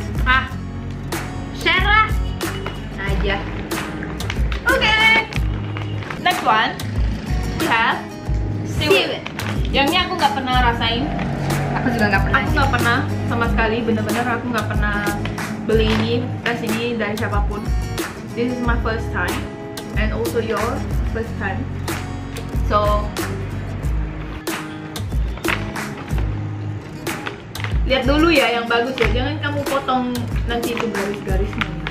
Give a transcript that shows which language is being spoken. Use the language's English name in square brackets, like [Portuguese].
[Indonesian] Ah, share lah. Nah aja. [English] Oke. Next one. We have seaweed. [Indonesian] Yang ini aku gak pernah rasain. Aku juga nggak pernah. Aku nggak pernah sama sekali. Bener-bener aku nggak pernah beli ini, tes ini dari siapapun. [English] This is my first time and also your first time. [Indonesian] So lihat dulu ya yang bagus ya. Jangan kamu potong nanti itu garis-garisnya.